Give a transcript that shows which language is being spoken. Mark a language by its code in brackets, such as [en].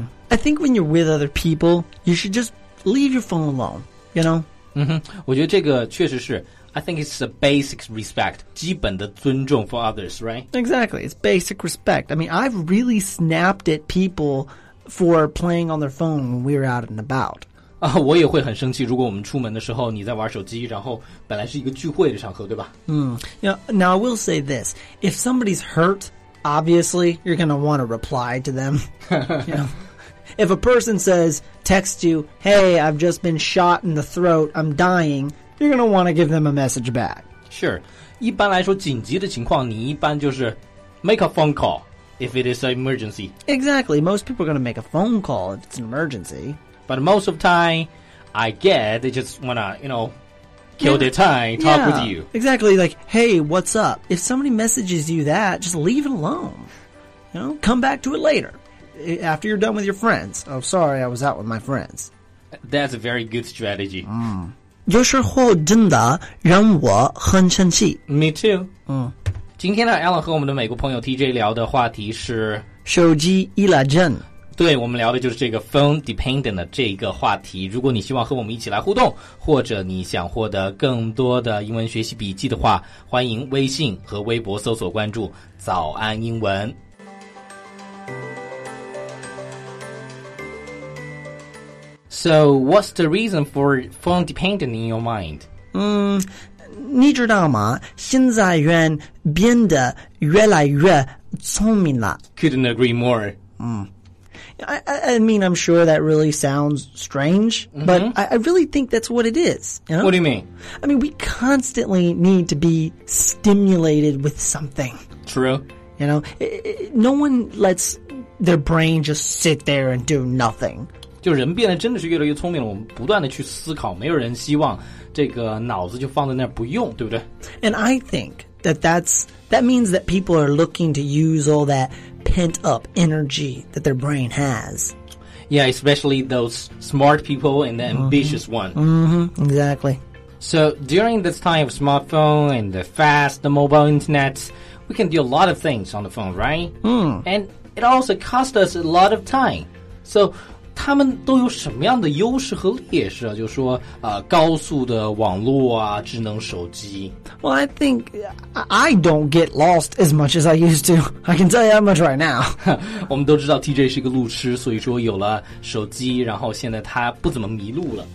[en] I think when you're with other people, you should just leave your phone alone, you know? [zh] 我觉得这个确实是 [en] I think it's a basic respect, [zh] 基本的尊重 [en] for others, right? Exactly, it's basic respect. I mean, I've really snapped at people for playing on their phone when we're out and about. [zh] 我也会很生气，如果我们出门的时候你在玩手机，然后本来是一个聚会的场合，对吧？ [en] Now, I will say this. If somebody's hurt, obviously, you're going to want to reply to them. You know? If a person says, text you, hey, I've just been shot in the throat, I'm dying... You're going to want to give them a message back. Sure. [zh] 一般来说紧急的情况你一般就是 [en] make a phone call if it is an emergency. Exactly. Most people are going to make a phone call if it's an emergency. But most of the time, I get they just want to, you know, kill their time, talk with you. Exactly. Like, hey, what's up? If somebody messages you that, just leave it alone. You know, come back to it later. After you're done with your friends. Oh, sorry, I was out with my friends. That's a very good strategy. [zh] 有时候真的让我很生气。 [en] Me too. [zh] 今天呢 ,Alan 和我们的美国朋友 TJ 聊的话题是手机依赖症。对，我们聊的就是这个 phone dependent 的这个话题。如果你希望和我们一起来互动，或者你想获得更多的英文学习笔记的话，欢迎微信和微博搜索关注早安英文。 [en] So, what's the reason for phone dependent in your mind? [zh] 你知道吗？现在人变得越来越聪明了。 [en] Couldn't agree more. I mean, I'm sure that really sounds strange, but I really think that's what it is. You know? What do you mean? I mean, we constantly need to be stimulated with something. True. You know, no one lets their brain just sit there and do nothing. [zh] 就人变得真的是越来越聪明了，我们不断的去思考，没有人希望这个脑子就放在那儿不用，对不对？ [en] And I think that means that people are looking to use all that pent up energy that their brain has. Yeah, especially those smart people and the ambitious one. Exactly. So during this time of smartphone and the fast mobile internet, we can do a lot of things on the phone, right? And it also costs us a lot of time. So [zh] 他们都有什么样的优势和劣势啊？就说高速的网络啊，智能手机。 [en] Well, I think I don't get lost as much as I used to. I can tell you that much right now. [zh] 我们都知道 TJ 是个路痴，所以说有了手机，然后现在他不怎么迷路了。